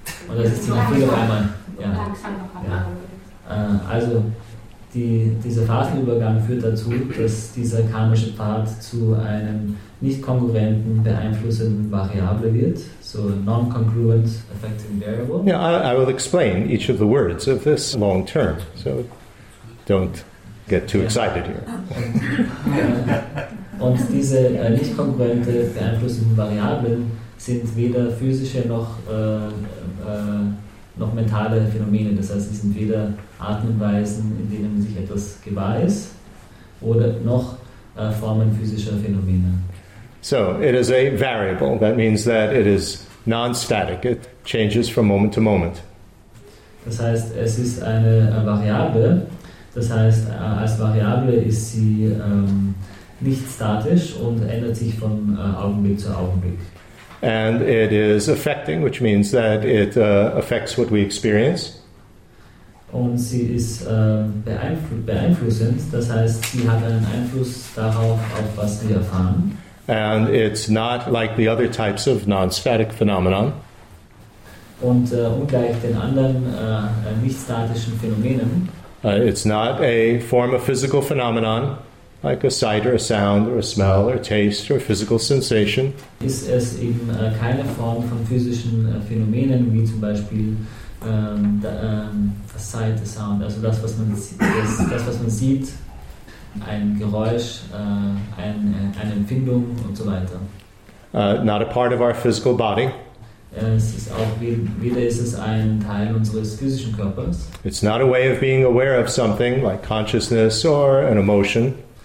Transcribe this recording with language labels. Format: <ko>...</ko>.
<de>Oder das ist die Natur noch einmal. Ja. Also dieser Phasenübergang führt dazu, dass dieser karmische Pfad zu einem nicht kongruenten, beeinflussenden Variable wird,</de> <en>so non-congruent affecting variable. Yeah, I will explain each of the words of this long term, so don't get too excited here.</en> <de>Und diese nicht kongruente, beeinflussenden Variablen sind weder physische noch mentale Phänomene. Das heißt, sie sind weder Atemweisen, in denen sich etwas gewahr ist, oder noch Formen physischer Phänomene.</de> <en>So, it is a variable. That means that it is non-static. It changes from moment to moment.</en> <de>Das heißt, es ist eine Variable. Das heißt, als Variable ist sie nicht statisch und ändert sich von Augenblick zu Augenblick.</de> <en>And it is affecting, which means that it affects what we experience.</en> <de>Und sie ist beeinflussend, das heißt, sie hat einen Einfluss darauf, auf was wir erfahren.</de> <en>And it's not like the other types of non-static phenomenon.</en> <de>Und ungleich den anderen nicht-statischen Phänomenen.</de> <en>It's not a form of physical phenomenon. Like a sight or a sound or a smell or a taste or a physical sensation.</en> <de>Ist es eben keine Form von physischen Phänomenen, wie zum Beispiel</de> <en>a sight, a sound,</en> <de>also das, was man sieht, ein Geräusch, eine Empfindung und so weiter.</de> <en>Not a part of our physical body.</en> <de>Es ist auch, weder ist es ein Teil unseres physischen Körpers.</de> <en>It's not a way of being aware of something, like consciousness or an emotion.</en>